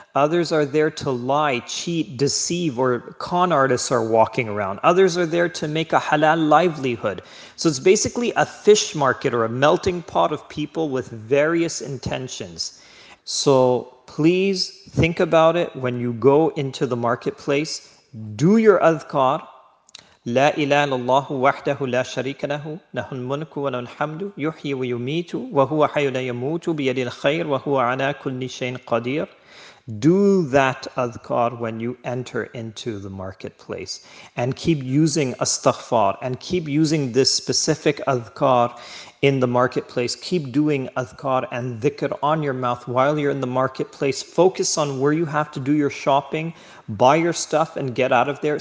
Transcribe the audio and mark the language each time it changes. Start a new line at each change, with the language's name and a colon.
English: Others are there to lie, cheat, deceive, or con artists are walking around. Others are there to make a halal livelihood. So it's basically a fish market or a melting pot of people with various intentions. So please think about it when you go into the marketplace. Do your adhkar.
Arabic: لا إله إلا الله وحده لا شريك له له الملك وله الحمد يحيي ويميت وهو حي لا يموت بيد الخير وهو على كل شيء قدير.
English: Do that adhkar when you enter into the marketplace, and keep using astaghfar, and keep using this specific adhkar in the marketplace. Keep doing adhkar and dhikr on your mouth while you're in the marketplace. Focus on where you have to do your shopping, buy your stuff and get out of there.